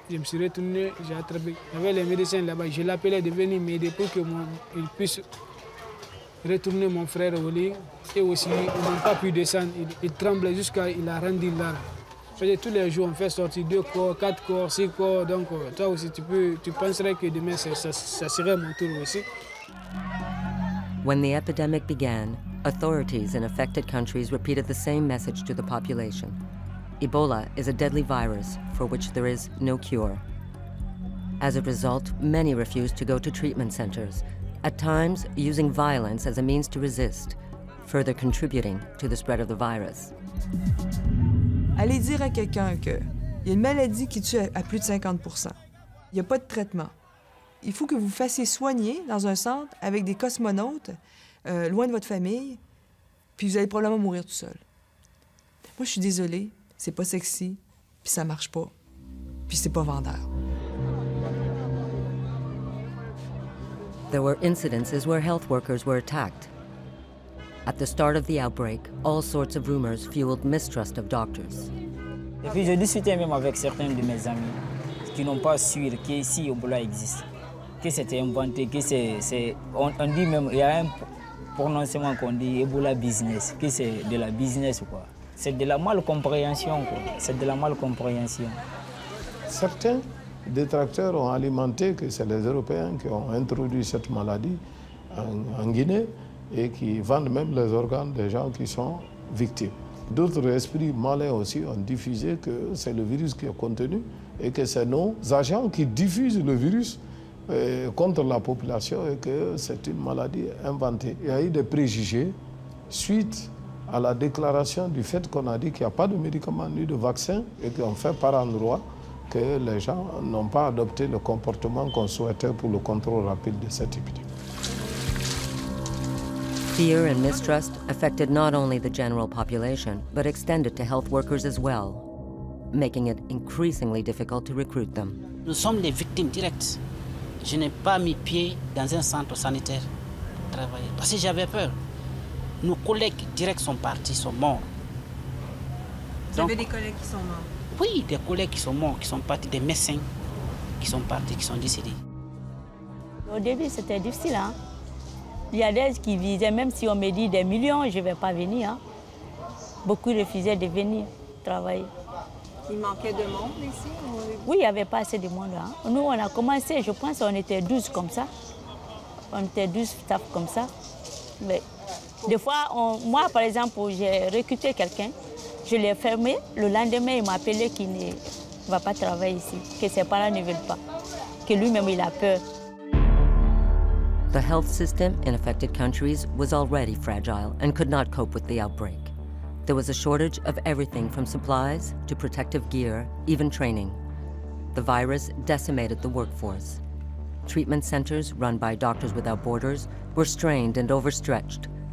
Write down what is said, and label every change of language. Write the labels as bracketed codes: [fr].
[fr] Je me suis retourné, j'ai attrapé. Il y avait les médecins là-bas. Je l'appelais de venir m'aider pour qu'il puisse retourner mon frère au lit. Et aussi, ils n'ont pas pu descendre. Il tremblait jusqu'à ce qu'il a rendu l'arme. Tous les jours, on fait sortir 2 corps, 4 corps, 6 corps. Donc, toi aussi, tu penserais que demain, ça serait mon tour aussi. [en] When the epidemic began, authorities in affected countries repeated the same message to the population. Ebola is a deadly virus for which there is no cure. As a result, many refused to go to treatment centers, at times using violence as a means to resist, further contributing to the spread of the virus. [fr] Allez dire à quelqu'un qu'il y a une maladie qui tue à plus de 50%. Il n'y a pas de traitement. Il faut que vous fassiez soigner dans un centre avec des cosmonautes, loin de votre famille, puis vous allez probablement mourir tout seul. Moi, je suis désolée, c'est pas sexy, puis ça marche pas, puis c'est pas vendeur. [en] There were incidences where health workers were attacked. At the start of the outbreak, all sorts of rumors fueled mistrust of doctors. [fr] Et puis j'ai discuté même avec certains de mes amis qui n'ont pas su que si Ebola existe, que c'était inventé, que c'est on dit même, il y a un prononcement qu'on dit Ebola business, que c'est de la business ou quoi. C'est de la malcompréhension, quoi. C'est de la malcompréhension. Certains détracteurs ont alimenté que c'est les Européens qui ont introduit cette maladie en Guinée et qui vendent même les organes des gens qui sont victimes. D'autres esprits malins aussi ont diffusé que c'est le virus qui est contenu et que c'est nos agents qui diffusent le virus contre la population et que c'est une maladie inventée. Il y a eu des préjugés suite à la déclaration du fait qu'on a dit qu'il n'y a pas de médicaments ni de vaccins et qu'on fait par endroit que les gens n'ont pas adopté le comportement qu'on souhaitait pour le contrôle rapide de cette épidémie. [en] Fear and mistrust affected not only the general population, but extended to health workers as well, making it increasingly difficult to recruit them. [fr] Nous sommes des victimes directes. Je n'ai pas mis pied dans un centre sanitaire pour travailler parce que j'avais peur. Nos collègues directs sont partis, sont morts. Vous avez des collègues qui sont morts? Oui, des collègues qui sont morts, qui sont partis, des médecins qui sont partis, qui sont décédés. Au début, c'était difficile, hein? Il y a des qui visaient, même si on me dit des millions, je ne vais pas venir. Hein. Beaucoup refusaient de venir travailler. Il manquait de monde ici? Oui, il n'y avait pas assez de monde. Hein. Nous, on a commencé, je pense, on était 12 comme ça. On était 12 staff comme ça. Mais des fois, moi, par exemple, j'ai recruté quelqu'un. Je l'ai fermé. Le lendemain, il m'a appelé qu'il ne va pas travailler ici, que ses parents ne veulent pas, que lui-même, il a peur. [en] The health system in affected countries was already fragile and could not cope with the outbreak. There was a shortage of everything from supplies to protective gear, even training. The virus decimated the workforce. Treatment centers run by Doctors Without Borders were strained and overstretched.